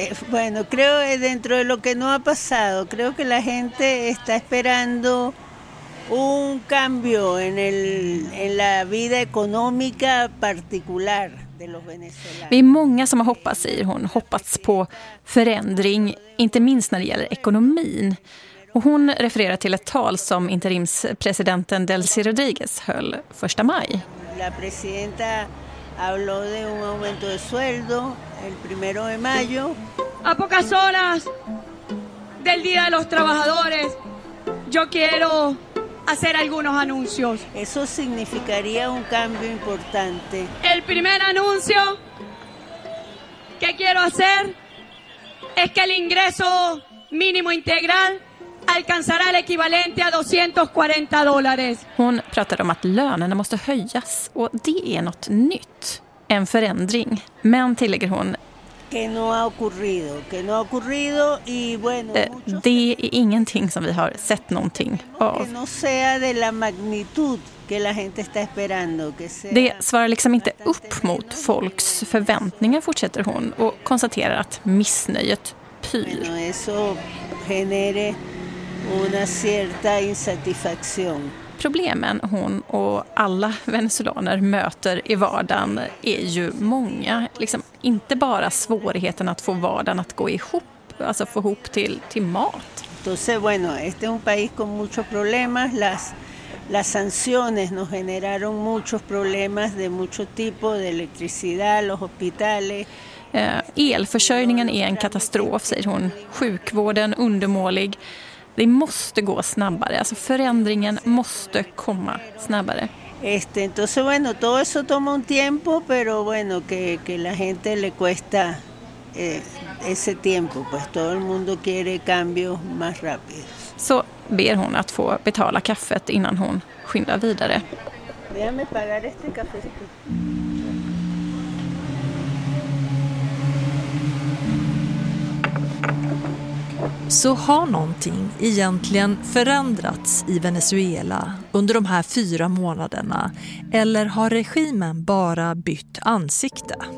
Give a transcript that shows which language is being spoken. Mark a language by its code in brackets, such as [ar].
[es] Bueno, creo que dentro de lo que no ha pasado, creo que la gente está esperando un cambio en la vida económica particular de los venezolanos. [sv] Vi är många som har hoppats, säger hon, hoppats på förändring, inte minst när det gäller ekonomin. Och hon refererar till ett tal som interimspresidenten Delcy Rodríguez höll 1 maj. [es] La presidenta habló de un aumento de sueldo el 1 de mayo. A pocas horas del día de los trabajadores, yo quiero hacer algunos anuncios. Eso significaría un cambio importante. El primer anuncio que quiero hacer es que el ingreso mínimo integral alcanzará el equivalente a $240. [sv] Hon pratade om att lönerna måste höjas och det är något nytt, en förändring. Men tillägger hon [es] Que no ha ocurrido y bueno, [sv] det är ingenting som vi har sett någonting av. [es] Que no sea de la magnitud que la gente está esperando, que sea. [sv] Det svarar liksom inte upp mot folks förväntningar, fortsätter hon och konstaterar att missnöjet pyr. [es] Bueno, eso genere una cierta insatisfacción. [sv] Problemen hon och alla venezolaner möter i vardagen är ju många. Liksom inte bara svårigheten att få vardagen att gå ihop, alltså få ihop till mat. [es] Entonces bueno, este es un país con muchos problemas. Las sanciones nos generaron muchos problemas de mucho tipo, de electricidad, los hospitales. [sv] Elförsörjningen är en katastrof, säger hon. Sjukvården undermålig. Det måste gå snabbare. Alltså förändringen måste komma snabbare. [es] Entonces bueno, todo eso toma un tiempo, pero bueno, que la gente le cuesta ese tiempo, pues todo el mundo quiere cambios más rápidos. [sv] Så ber hon att få betala kaffet innan hon skyndar vidare. [es] Déjame pagar este cafecito. [sv] Så har någonting egentligen förändrats i Venezuela under de här 4 månaderna, eller har regimen bara bytt ansikte?